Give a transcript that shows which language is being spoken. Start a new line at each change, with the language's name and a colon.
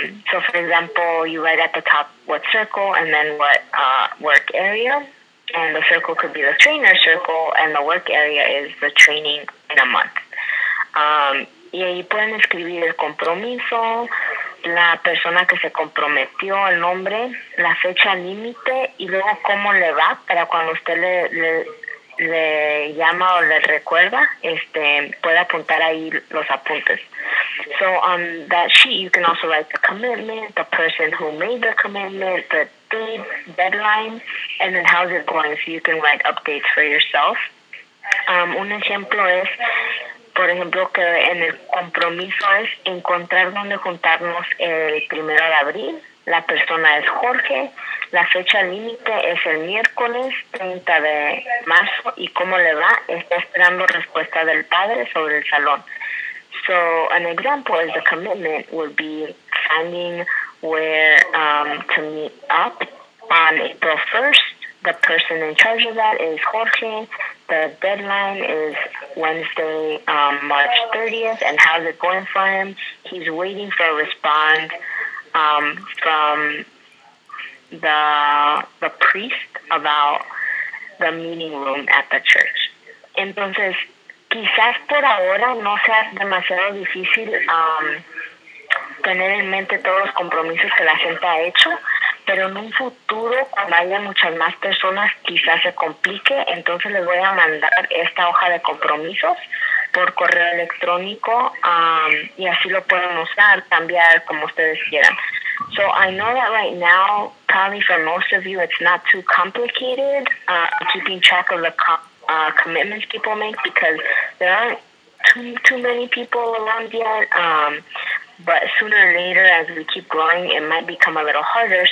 English: So, for example, you write at the top what circle and then what work area. And the circle could be the trainer circle and the work area is the training in a month.
Spanish: Y ahí pueden escribir el compromiso, la persona que se comprometió, el nombre, la fecha límite y luego cómo le va para cuando usted le llama o le recuerda, puede apuntar ahí los apuntes.
English: So on that sheet you can also write the commitment, the person who made the commitment, the date, deadline, and then how's it going, so you can write updates for yourself.
Spanish: Un ejemplo es, por ejemplo, que en el compromiso es encontrar dónde juntarnos el 1 de abril. La persona es Jorge. La fecha límite es el miércoles 30 de marzo. ¿Y cómo le va? Está esperando respuesta del padre sobre el salón.
English: So, an example is the commitment would be finding where to meet up on April 1st. The person in charge of that is Jorge. The deadline is Wednesday, March 30th, and how's it going for him? He's waiting for a response from the priest about the meeting room at the church.
Spanish: Entonces, quizás por ahora no sea demasiado difícil tener en mente todos los compromisos que la gente ha hecho, pero en un futuro, cuando haya muchas más personas, quizás se complique. Entonces les voy a mandar esta hoja de compromisos por correo electrónico, y así lo pueden usar, cambiar como ustedes quieran.
English: So I know that right now, probably for most of you, it's not too complicated keeping track of the commitments people make, because there aren't too many people around yet. But sooner or later, as we keep growing, it might become a little harder.